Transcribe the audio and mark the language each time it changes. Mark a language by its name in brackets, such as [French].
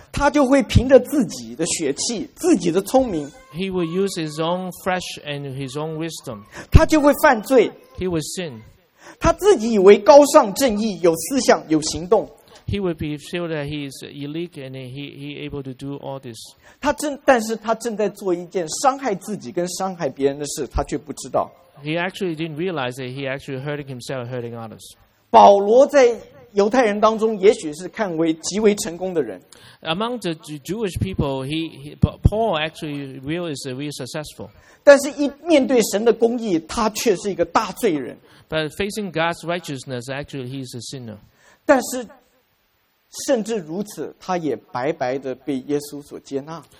[Chinese] 他就会凭着自己的血气、自己的聪明 [English] ，He will use his own flesh and his own wisdom. [Chinese] 他就会犯罪 [English] ，He will sin. [Chinese] 他自己以为高尚正义，有思想，有行动。 [English] He would be feel that he is elite and he able to do all this. [Chinese] 但是他正在做一件伤害自己跟伤害别人的事，他却不知道。 [English] He actually didn't realize that he actually hurting himself and hurting others. [Chinese] 保罗在犹太人当中也许是看为极为成功的人。 [English] Among the Jewish people, Paul actually really is very successful. [Chinese] 但是一面对神的公义，他却是一个大罪人。 [English] But facing God's righteousness, actually he is a sinner. [Chinese] 但是甚至如此，他也白白的被耶稣所接纳。